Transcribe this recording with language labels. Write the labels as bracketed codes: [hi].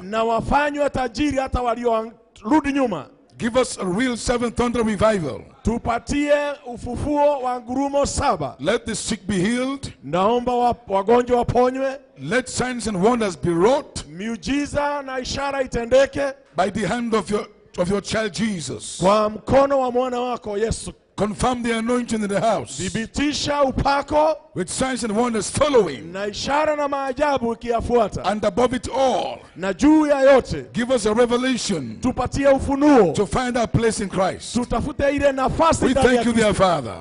[sw] Na wafanywe tajiri hata waliorudi nyuma. [en] Give us a real seven thunder revival. [sw] Tupatie ufufuo wa ngurumo saba. [en] Let the sick be healed. [sw] Naomba wagonjwa waponywe. [en] Let signs and wonders be wrought. [sw] Miujiza na ishara itendeke. [en] By the hand of your of your child Jesus. [sw] Kwa mkono wa mwana wako Yesu. [en] Confirm the anointing in the house. [sw] Thibitisha upako. [en] With signs and wonders following. [sw] Na ishara na maajabu ukiyafuata. [en] And above it all. [sw] Na juu ya yote. [en] Give us a revelation. [sw] Tupatie ufunuo. [en] To find our place in Christ. [sw] Tutafute ile nafasi ndani ya Kristo. [en] We thank you, dear Father.